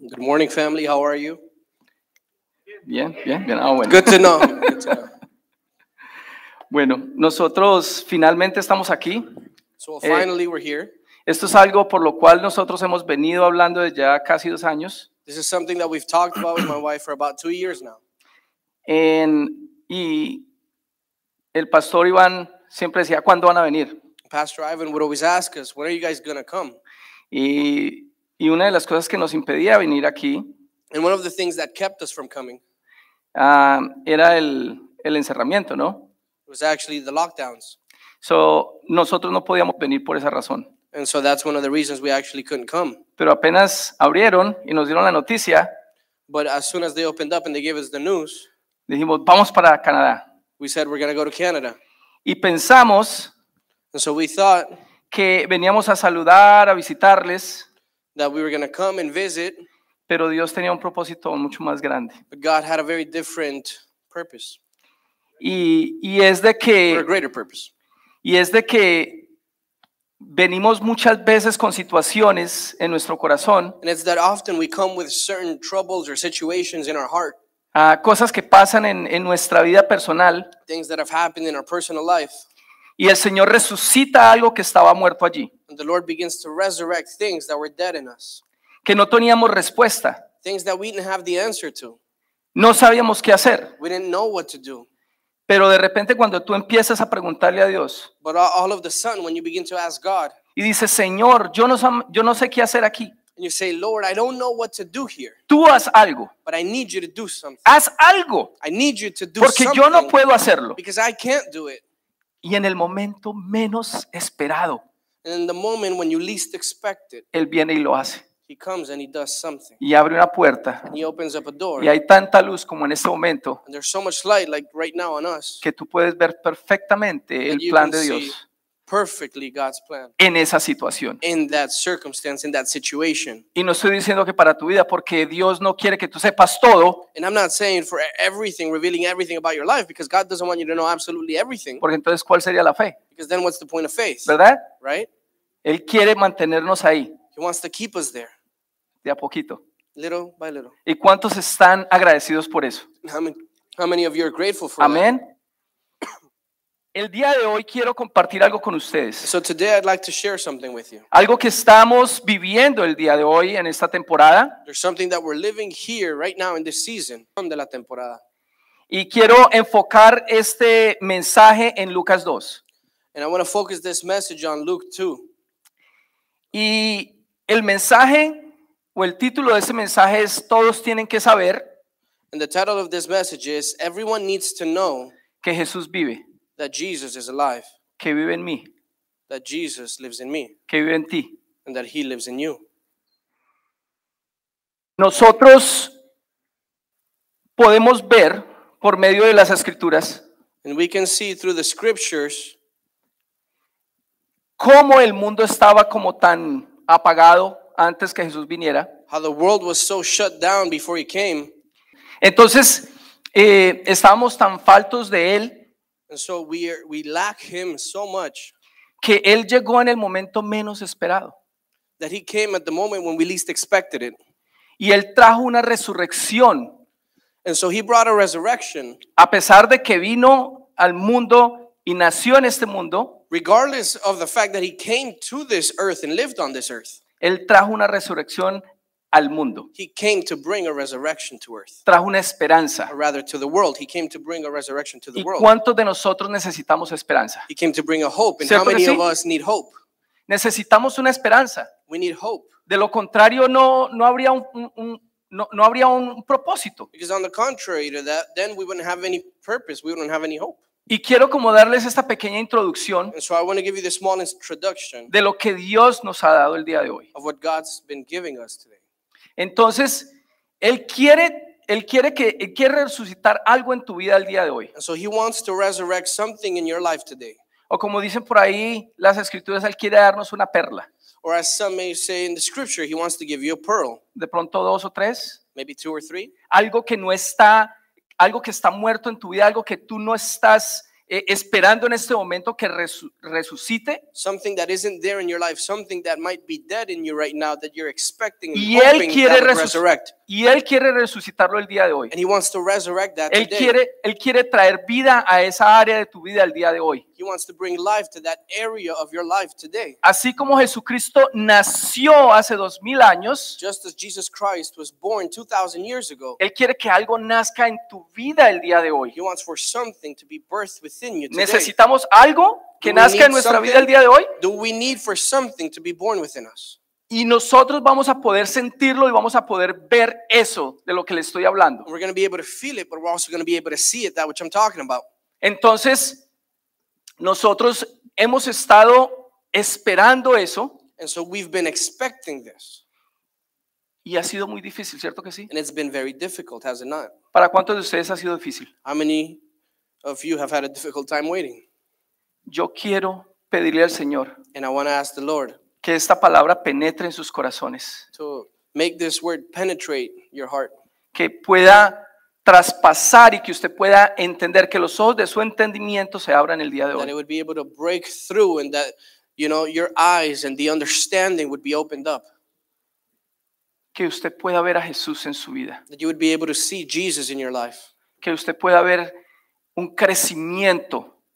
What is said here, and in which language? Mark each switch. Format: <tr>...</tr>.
<en>Good morning, family. How are you?</en> <es>Bien. Ah, bueno.</es> <en>Good to know. Good to know.</en> <es>Bueno, nosotros finalmente estamos aquí.</es> <en>So finally we're here.</en> <es>Esto es algo por lo cual nosotros hemos venido hablando desde ya casi 2 años.</es> <en>This is something that we've talked about with my wife for about 2 years now.</en> <es>Y el pastor Iván siempre decía, ¿cuándo van a venir?</es> <en>Pastor Ivan would always ask us, when are you guys going to come?</en> <es>Y una de las cosas que nos impedía venir aquí,</es> <en>and one of the things that kept us from coming,</en> <es>era el encerramiento, ¿no?</es> <en>It was actually the lockdowns.</en> <es>So, nosotros no podíamos venir por esa razón.</es> <en>And so that's one of the reasons we actually couldn't come.</en> <es>Pero apenas abrieron y nos dieron la noticia,</es> <en>but as soon as they opened up and they gave us the news,</en> <es>dijimos, vamos para Canadá.</es> <en>We said we're going to go to Canada.</en> <es>Y pensamos,</es> <en>and so we thought,</en> <es>que veníamos a saludar, a visitarles,</es> <en>that we were going to come and visit,</en> <es>pero Dios tenía un propósito mucho más grande.</es> <en>But God had a very different purpose.</en> <es>Y es de que,</es> <en>for a greater purpose.</en> <es>Y es de que venimos muchas veces con situaciones en nuestro corazón.</es> <en>And it's that often we come with certain troubles or situations in our heart.</en> <es>Cosas que pasan en nuestra vida personal.</es> <en>Things that have happened in our personal life.</en> <es>Y el Señor resucita algo que estaba muerto allí.</es> <en>And the Lord begins to resurrect things that were dead in us.</en> <es>Que no teníamos respuesta.</es> <en>Things that we didn't have the answer to.</en> <es>No sabíamos qué hacer.</es> <en>We didn't know what to do.</en> <es>Pero de repente cuando tú empiezas a preguntarle a Dios,</es> <en>but all of the sudden when you begin to ask God,</en> <es>y dices, Señor, yo no sé qué hacer aquí.</es> <en>And you say, Lord, I don't know what to do here.</en> <es>Tú haz algo.</es> <en>But I need you to do something.</en> <es>Haz algo.</es> <en>I need you to do</en> <es>porque</es> <en>something.</en> <es>Porque yo no puedo hacerlo.</es> <en>Because I can't do it.</en> <es>Y en el momento menos esperado,</es> <en>and in the moment when you least expect it,</en> <es>Él viene y lo hace.</es> <en>He comes and he does something.</en> <es>Y abre una puerta.</es> <en>And he opens up a door.</en> <es>Y hay tanta luz como en este momento.</es> <en>And there's so much light like right now on us.</en> <es>Que tú puedes ver perfectamente el plan de Dios.</es> <en>Perfectly God's plan.</en> <es>En esa situación.</es> <en>In that circumstance, in that situation.</en> <es>Y no estoy diciendo que para tu vida, porque Dios no quiere que tú sepas todo.</es> <en>And I'm not saying for everything, revealing everything about your life, because God doesn't want you to know absolutely everything.</en> <es>Porque entonces, ¿cuál sería la fe?</es> <en>Because then what's the point of faith?</en> <es>¿Verdad?</es> <en>Right?</en> <es>Él quiere mantenernos ahí.</es> <en>He wants to keep us there.</en> <es>De a poquito.</es> <en>Little by little.</en> <es>¿Y cuántos están agradecidos por eso?</es> <en>How many of you are grateful for</en> <es>amén.</es> <en>That?</en> <es>El día de hoy quiero compartir algo con ustedes.</es> <en>So today I'd like to share something with you.</en> <es>Algo que estamos viviendo el día de hoy en esta temporada. There's something that we're living here right now in this season. De la temporada. Y quiero enfocar este mensaje en Lucas 2.</es> <en>And I want to focus this message on Luke 2.</en> <es>Y el mensaje o el título de ese mensaje es todos tienen que saber</es> <en>and the title of this message is everyone needs to know</en> <es>que Jesús vive,</es> <en>that Jesus is alive,</en> <es>que vive en mí,</es> <en>that Jesus lives in me,</en> <es>que vive en ti,</es> <en>and that he lives in you.</en> <es>Nosotros podemos ver por medio de las escrituras</es> <en>and we can see through the scriptures</en> <es>cómo el mundo estaba como tan apagado antes que Jesús viniera.</es> <en>How the world was so shut down before he came.</en> <es>Entonces, estábamos tan faltos de él.</es> <en>And so we lack him so much.</en> <es>Que él llegó en el momento menos esperado.</es> <en>That he came at the moment when we least expected it.</en> <es>Y él trajo una resurrección.</es> <en>And so he brought a resurrection.</en> <es>A pesar de que vino al mundo y nació en este mundo.</es> <en>Regardless of the fact that he came to this earth and lived on this earth.</en> <es>Él trajo una resurrección al mundo.</es> <en>He came to bring a resurrection to earth.</en> <es>Trajo una esperanza.</es> <en>Or rather to the world. He came to bring a resurrection to the world.</en> <es>¿Y cuántos de nosotros necesitamos esperanza?</es> <en>He came to bring a hope. And how many of us need hope?</en> <es>Necesitamos una esperanza.</es> <en>We need hope.</en> <es>De lo contrario, no habría un propósito.</es> <en>Because on the contrary to that, then we wouldn't have any purpose. We wouldn't have any hope.</en> <es>Y quiero como darles esta pequeña introducción</es> <en>so I want to give you the small introduction</en> <es>de lo que Dios nos ha dado el día de hoy.</es> <en>Of what God's been giving us today.</en> <es>Entonces, Él quiere resucitar algo en tu vida el día de hoy.</es> <en>And so he wants to resurrect something in your life today.</en> <es>O como dicen por ahí las escrituras, él quiere darnos una perla.</es> <en>Or as some may say in the scripture, he wants to give you a pearl.</en> <es>De pronto dos o tres.</es> <en>Maybe two or three.</en> <es>Algo que no está, algo que está muerto en tu vida, algo que tú no estás esperando en este momento que resucite.</es> <en>Something that isn't there in your life, something that might be dead in you right now that you're expecting and</en> <es>y</es> <en>hoping</en> <es>él</es> <en>that resurrect.</en> <es>Y él quiere resucitarlo el día de hoy.</es> <en>And he wants to resurrect that</en> <es>él</es> <en>today.</en> <es>Él quiere traer vida a esa área de tu vida el día de hoy.</es> <en>He wants to bring life to that area of your life today.</en> <es>Así como Jesucristo nació hace 2,000 años,</es> <en>just as Jesus Christ was born 2,000 years ago,</en> <es>él quiere que algo nazca en tu vida el día de hoy.</es> <en>He wants for something to be birthed within you today.</en> <es>¿Necesitamos algo que nazca en nuestra vida el día de hoy?</es> <en>Do we need for something to be born within us?</en> <es>Y nosotros vamos a poder sentirlo y vamos a poder ver eso de lo que le estoy hablando.</es> <en>We're going to be able to feel it, but we're also going to be able to see it, that which I'm talking about.</en> <es>Entonces, nosotros hemos estado esperando eso.</es> <en>And so we've been expecting this.</en> <es>Y ha sido muy difícil, ¿cierto que sí?</es> <en>And it's been very difficult, has it not?</en> <es>¿Para cuántos de ustedes ha sido difícil?</es> <en>How many of you have had a difficult time waiting?</en> <es>Yo quiero pedirle al Señor.</es> <en>And I want to ask the Lord.</en> <es>Que esta palabra penetre en sus corazones.</es> <en>To make this word penetrate your heart.</en> <es>Que pueda traspasar y que usted pueda entender que los ojos de su entendimiento se abran el día de hoy.</es> <en>That it would be able to break through and that, you know, your eyes and the understanding would be opened up.</en> <es>Que usted pueda ver a Jesús en su vida.</es> <en>That you would be able to see Jesus in your life.</en> <es>Que usted pueda ver un crecimiento.</es>